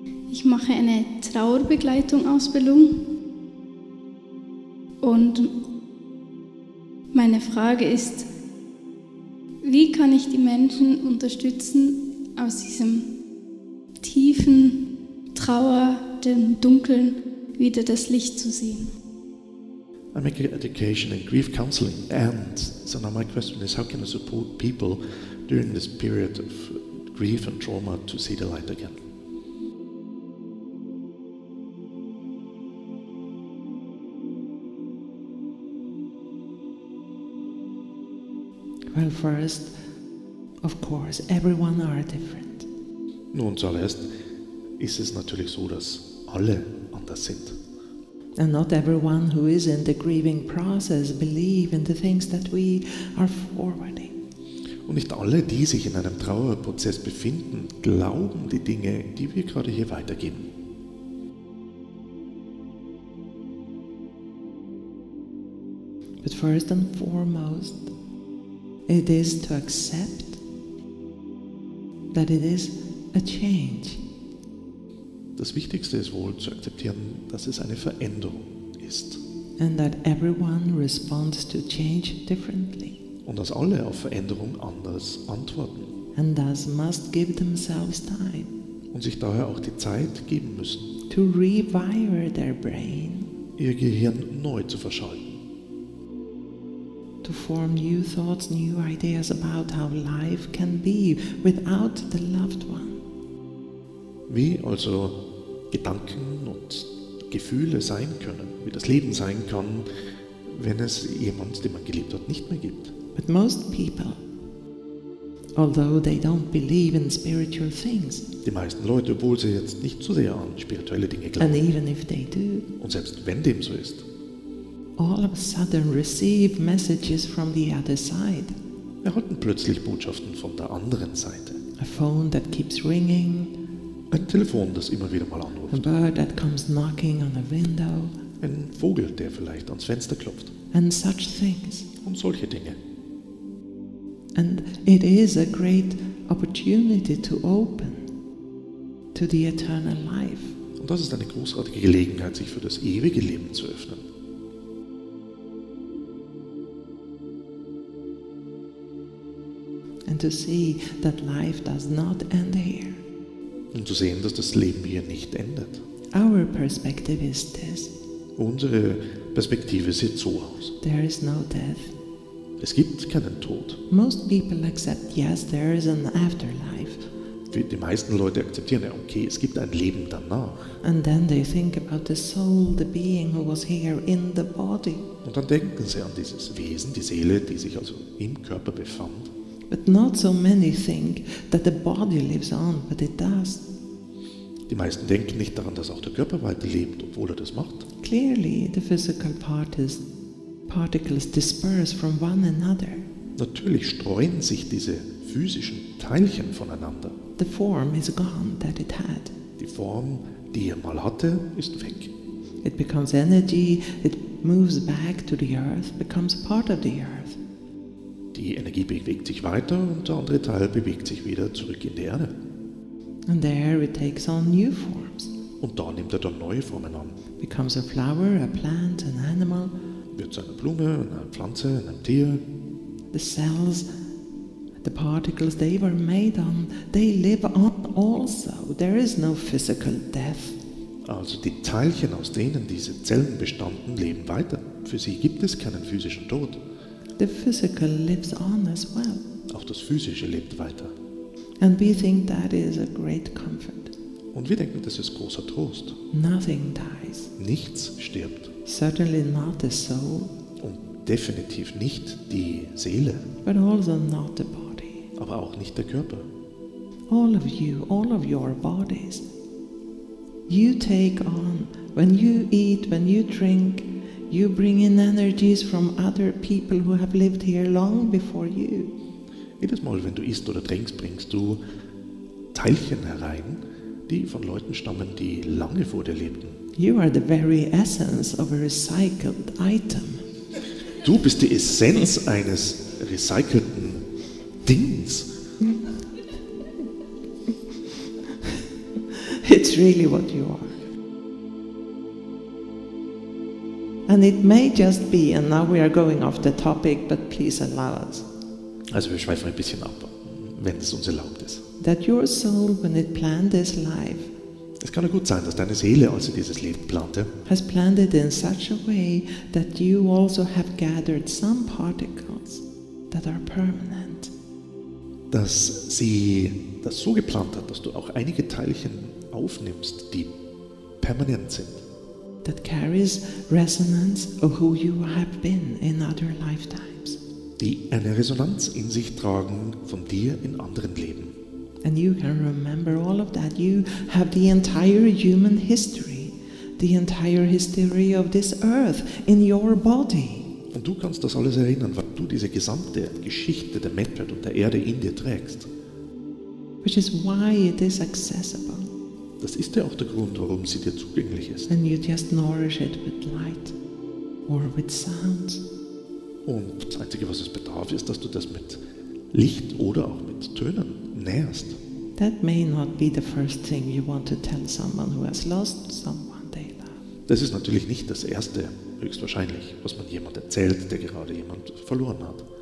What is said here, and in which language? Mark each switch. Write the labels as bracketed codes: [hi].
[de] Ich mache eine Trauerbegleitung-Ausbildung und meine Frage ist, wie kann ich die Menschen unterstützen, aus diesem tiefen Trauer, dem Dunkeln, wieder das Licht zu sehen? [en] I make education in grief counseling and so now my question is, how can I support people during this period of grief and trauma to see the light again? Well, first, of course, everyone are different. [de] Nun, zuerst ist es natürlich so, dass alle anders sind. [en] And not everyone who is in the grieving process believe in the things that we are forwarding. [de] Und nicht alle, die sich in einem Trauerprozess befinden, glauben die Dinge, die wir gerade hier weitergeben. [en] But first and foremost, it is to accept that it is a change [de] Das Wichtigste ist wohl zu akzeptieren, dass es eine Veränderung ist. [en] And that everyone responds to change differently. [de] Und dass alle auf Veränderung anders antworten. [en] And thus must give themselves time. [de] Und sich daher auch die Zeit geben müssen. [en] To rewire their brain. [de] Ihr Gehirn neu zu verschalten. [en] To form new thoughts, new ideas about how life can be without the loved one. [de] Wie also Gedanken und Gefühle sein können, wie das Leben sein kann, wenn es jemanden, den man geliebt hat, nicht mehr gibt. [en] But most people, although they don't believe in spiritual things, [de] die meisten Leute, obwohl sie jetzt nicht so sehr an spirituelle Dinge glauben, [en] and even if they do, [de] und selbst wenn dem so ist, [en] all of a sudden receive messages from the other side. [de] Erhalten plötzlich Botschaften von der anderen Seite. [en] A phone that keeps ringing. [de] Ein Telefon, das immer wieder mal anruft. [en] A bird that comes knocking on a window. [de] Ein Vogel, der vielleicht ans Fenster klopft. [en] And such things. [de] Und solche Dinge. [en] And it is a great opportunity to open to the eternal life. [de] Und das ist eine großartige Gelegenheit, sich für das ewige Leben zu öffnen. [en] And to see that life does not end here. [de] Um zu sehen, dass das Leben hier nicht endet. [en] Our perspective is this. [de] Unsere Perspektive sieht so aus. [en] There is no death. [de] Es gibt keinen Tod. [en] Most people accept, yes, there is an afterlife. [de] Die meisten Leute akzeptieren, ja, okay, es gibt ein Leben danach. [en] And then they think about the soul, the being who was here in the body. [de] Und dann denken sie an dieses Wesen, die Seele, die sich also im Körper befand. [en] But not so many think that the body lives on, but it does. [de] Die meisten denken nicht daran, dass auch der Körper weiterlebt, obwohl er das macht. [en] Clearly, the physical part is particles disperse from one another. [de] Natürlich streuen sich diese physischen Teilchen voneinander. [en] The form is gone that it had. [de] Die Form, die er mal hatte, ist weg. [en] It becomes energy, it moves back to the earth, becomes part of the earth. [de] Die Energie bewegt sich weiter und der andere Teil bewegt sich wieder zurück in die Erde. [en] And there it takes on new forms. [de] Und da nimmt er dann neue Formen an. [en] Becomes a flower, a plant, an animal. [de] Wird zu einer Blume, einer Pflanze, einem Tier. [en] The cells, the particles they were made on, they live on also. There is no physical death. [de] Also die Teilchen, aus denen diese Zellen bestanden, leben weiter. Für sie gibt es keinen physischen Tod. [en] The physical lives on as well. [de] Auch das Physische lebt weiter. [en] And we think that is a great comfort. [de] Und wir denken, das ist großer Trost. [en] Nothing dies. [de] Nichts stirbt. [en] Certainly not the soul. [de] Und definitiv nicht die Seele. [en] But also not the body. [de] Aber auch nicht der Körper. [en] All of you, all of your bodies, you take on, when you eat, when you drink, you bring in energies from other people who have lived here long before you. [de] Jedes Mal, wenn du isst oder trinkst, bringst du Teilchen herein, die von Leuten stammen, die lange vor dir lebten. [en] You are the very essence of a recycled item. [de] Du bist die Essenz eines recycelten Dings. [en] It's really what you are. And it may just be, and now we are going off the topic, but please allow us. [de] Also wir schweifen ein bisschen ab, wenn es uns erlaubt ist. [en] That your soul, when it planned this life, [de] es kann ja gut sein, dass deine Seele, als sie dieses Leben plante, [en] has planned it in such a way that you also have gathered some particles that are permanent. [de] Dass sie das so geplant hat, dass du auch einige Teilchen aufnimmst, die permanent sind. [en] That carries resonance of who you have been in other lifetimes. [de] Die eine Resonanz in sich tragen von dir in anderen Leben. [en] And you can remember all of that. You have the entire human history, the entire history of this earth in your body. [de] Und du kannst das alles erinnern, was du diese gesamte Geschichte der Menschheit und der Erde in dir trägst. [en] Which is why it is accessible. [de] Das ist ja auch der Grund, warum sie dir zugänglich ist. [en] And you just nourish it with light or with sound. [de] Und das Einzige, was es bedarf, ist, dass du das mit Licht oder auch mit Tönen nährst. [en] That may not be the first thing you want to tell someone who has lost someone they love. [de] Das ist natürlich nicht das erste, höchstwahrscheinlich, was man jemand erzählt, der gerade jemand verloren hat.